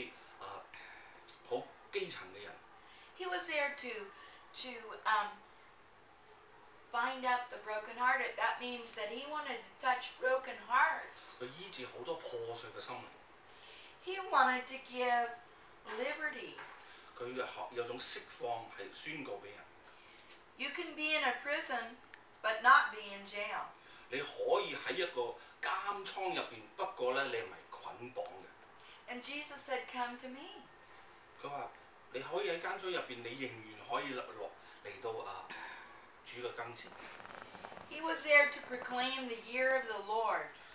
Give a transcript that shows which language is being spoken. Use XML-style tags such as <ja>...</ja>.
<yue>他是傳個訊息呢,給好多啲普基層的人。</yue> <en>He was there to bind up the brokenhearted. That means that he wanted to touch broken hearts.</en> <yue>他醫治好多破碎的心靈。</yue> <en>He wanted to give liberty.</en> <yue>他有種釋放是宣告給人。</yue> <en>You can be in a prison, but not be in jail.</en> <yue>你可以在一個監倉裡面,不過你不是捆綁的。</yue> <en>And Jesus said, come to me.</en> <yue>他說,你可以在監倉裡面,你仍然可以來到主的跟前。</yue> <en>He was there to proclaim the year of the Lord.</en>